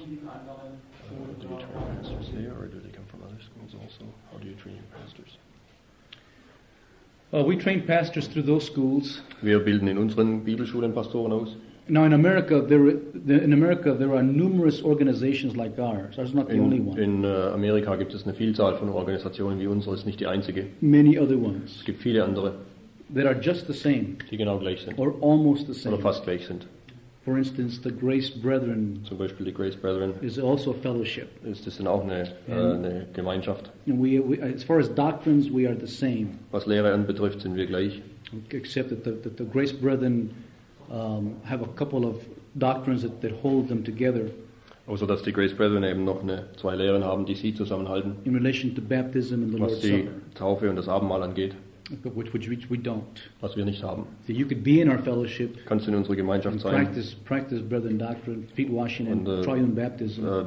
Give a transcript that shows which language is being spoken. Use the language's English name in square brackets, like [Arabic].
[English] Do you train pastors here, or do they come from other schools also? How do you train your pastors? Well, we train pastors through those schools. [German] Wir bilden in unseren Bibelschulen Pastoren aus. [English] Now in America, there are numerous organizations like ours. Ours is not the only one. [German] In Amerika gibt es eine Vielzahl von Organisationen wie unsere, ist nicht die einzige. [English] Many other ones. [German] Es gibt viele andere. [English] That are just the same, [German] die genau gleich sind, [English] or almost the same, [German] oder fast gleich sind. [English] For instance, the Grace Brethren, [German] zum Beispiel die Grace Brethren, [English] is also a fellowship. [German] Ist das denn auch eine Gemeinschaft? [English] And we, as far as doctrines, we are the same. [German] Was Lehre anbetrifft, sind wir gleich. [English] Except that the Grace Brethren have a couple of doctrines that hold them together. [German] Also, dass die Grace Brethren eben noch zwei Lehren haben, die sie zusammenhalten. [English] In relation to baptism and the Lord's Supper. [German] Was die Taufe und das Abendmahl angeht. [English] Which we don't. [German] Was wir nicht haben. [English] So you could be in our fellowship. [German] Kannst in unserer Gemeinschaft sein. [English] Practice brethren doctrine, feet washing, and triune baptism.